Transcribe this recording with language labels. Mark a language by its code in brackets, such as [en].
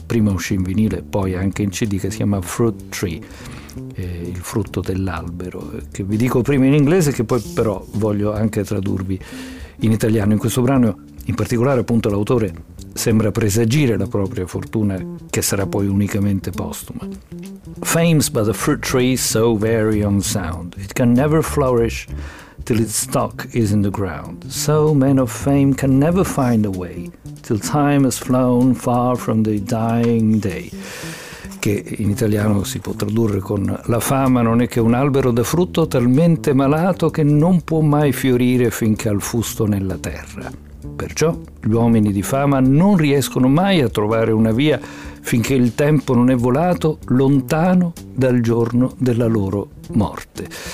[it] Prima uscì in vinile, poi anche in CD, che si chiama Fruit Tree, il frutto dell'albero, che vi dico prima in inglese, che poi però voglio anche tradurvi in italiano. In questo brano in particolare, appunto, l'autore sembra presagire la propria fortuna, che sarà poi unicamente postuma. [en] Fame's but a fruit tree so very unsound, it can never flourish till its stock is in the ground. So men of fame can never find a way till time has flown far from the dying day. [it] Che in italiano si può tradurre con: la fama non è che un albero da frutto talmente malato che non può mai fiorire finché ha il fusto nella terra. Perciò gli uomini di fama non riescono mai a trovare una via finché il tempo non è volato lontano dal giorno della loro morte.